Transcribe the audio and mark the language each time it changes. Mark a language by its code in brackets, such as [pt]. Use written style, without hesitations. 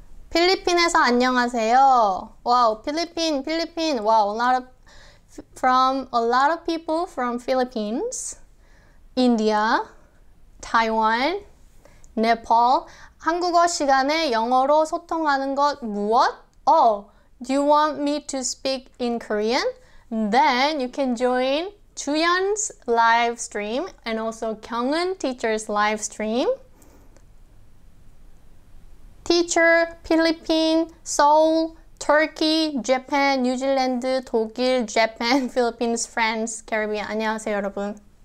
[ko] 필리핀에서 안녕하세요. [en] Wow, 필리핀, 필리핀. Wow, a lot of people from Philippines, India, Taiwan, Nepal. [ko] 한국어 시간에 영어로 소통하는 것 무엇? [en] Oh, do you want me to speak in Korean? Then you can join 주연's live stream and also 경은 teacher's live stream. Teacher, Philippine, Seoul, Turkey, Japan, New Zealand, 독일, Japan, Philippines, France, Caribbean. [ko] 안녕하세요, 여러분.